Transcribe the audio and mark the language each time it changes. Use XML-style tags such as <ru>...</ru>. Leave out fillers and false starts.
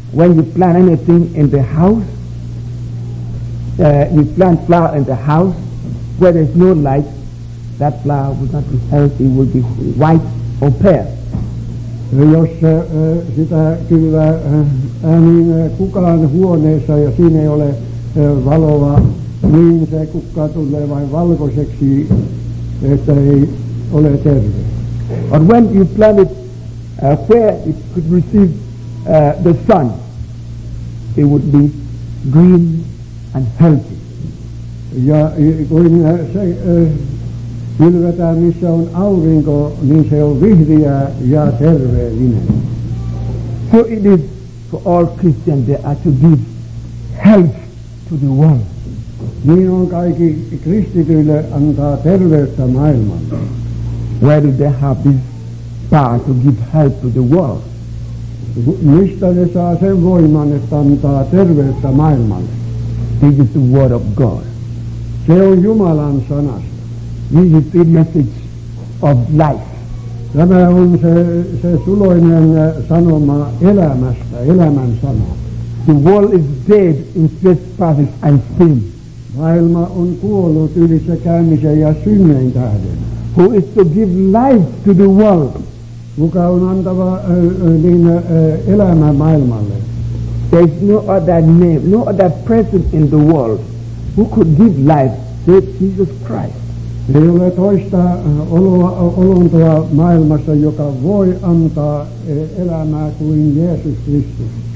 <en>when you plant anything in the house, you plant flower in the house where there's no light, that flower will not be healthy, it will be white or pale.</en> <fi>Jos sitä kylvää niin kukaan huoneessa ja siinä ei ole valoa, niin se kukka tulee vain valkoiseksi, että ei ole terve.</fi> <en>But when you plant it where it could receive the sun, it would be green and healthy.</en> <fi>Ja kun se kylvetään, missä on aurinko, niin se on vihreä ja terveellinen.</fi> <en>So it is for all Christians they are to give health to the world.</en> <fi>Niin on kaikki kristityille antaa terveyttä maailman.</fi> <en>Where do they have this power to give health to the world?</en> <fi>Mistä ne saa sen voiman, että antaa terveyttä maailmalle?</fi> <en>This is the word of God.</en> <fi>Se on Jumalan sanasta.</fi> <en>This is the message of life.</en> <fi>Tämä on se suloinen sanoma elämästä, elämän sana.</fi> <en>The world is dead in trespasses and sin.</en> <fi>Maailma on kuollut ylitsekäymisen ja synnin tähden.</fi> <en>Who is to give life to the world?</en> <fi>Kuka on antava elämä maailmalle?</fi> <en>There is no other name, no other person in the world who could give life save Jesus Christ.</en> <fi>Ei ole toista olontoa maailmassa, joka voi antaa elämää kuin Jeesus Kristus.</fi>